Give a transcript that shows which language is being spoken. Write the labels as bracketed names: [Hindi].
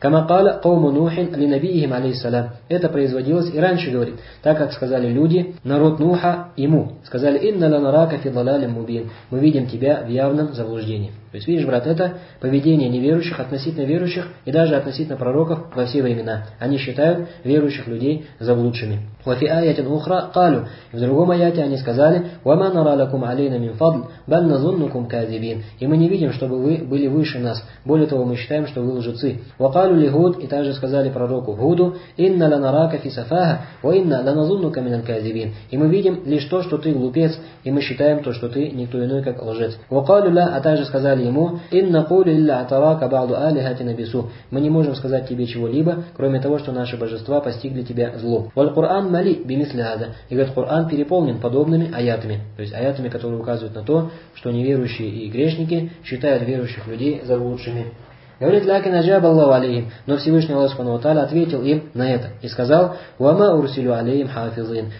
[Arabic] Камакала кауму Нухин ли набиихим алейхиссалям. [Russian] Это производилось и раньше, говорит, так как сказали люди, народ Нуха ему, сказали, [Arabic] инна ланарака фи далалин мубин. [Russian] Мы видим тебя в явном заблуждении. То есть, видишь, брат, это поведение неверующих относительно верующих и даже относительно пророков во все времена. Они считают верующих людей заблудшими. [Arabic] وفي آية أخرى قالوا [Russian] в другом аяте они сказали [Arabic] وما نرى لكم علينا من فضل بل نظنكم كاذبين. [Russian] И мы не видим, чтобы вы были выше нас, более того, мы считаем, что вы лжецы. [Arabic] وقالوا لهود, [Russian] и также сказали пророку Гуду, [Arabic] إن لنراك في سفاهة وإن لنظنك من الكاذبين. [Russian] И мы видим лишь то, что ты глупец, и мы считаем то, что ты никто иной, как лжец. [Arabic] وقالوا له, [Russian] а также сказали ему, [Arabic] إن نقول إلا أتراك بعض آلهتنا بسوء. [Russian] Мы не можем сказать тебе чего-либо, кроме того, что наши божества постигли тебя зло. [Arabic] والقرآن мали бимисляда. [Russian] И говорит, Коран переполнен подобными аятами. То есть аятами, которые указывают на то, что неверующие и грешники считают верующих людей заблудшими. Говорит, [Arabic] лякин аджаб Аллаху алейхим. [Russian] Но Всевышний Аллах Субхану ва Тааля ответил им на это и сказал: [Arabic] «Вама урсилю алейхим хафизин».